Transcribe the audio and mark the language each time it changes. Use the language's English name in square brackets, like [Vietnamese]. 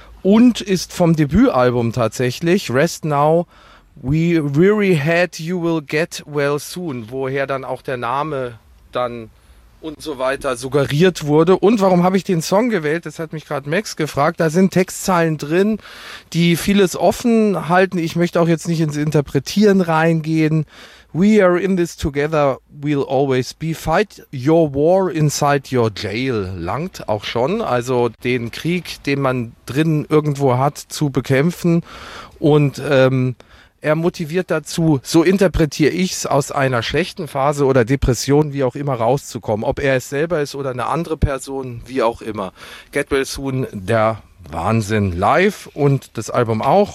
[German] Und ist vom Debütalbum tatsächlich, Rest Now, We Weary Head, You Will Get Well Soon, woher dann auch der Name dann und so weiter suggeriert wurde. Und warum habe ich den Song gewählt? Das hat mich gerade Max gefragt. Da sind Textzeilen drin, die vieles offen halten. Ich möchte auch jetzt nicht ins Interpretieren reingehen. [English] We are in this together, we'll always be. Fight your war inside your jail, [German] langt auch schon. Also den Krieg, den man drin irgendwo hat, zu bekämpfen. Und er motiviert dazu, so interpretiere ich es, aus einer schlechten Phase oder Depression, wie auch immer, rauszukommen. Ob er es selber ist oder eine andere Person, wie auch immer. Get Well Soon, der Wahnsinn, live und das Album auch.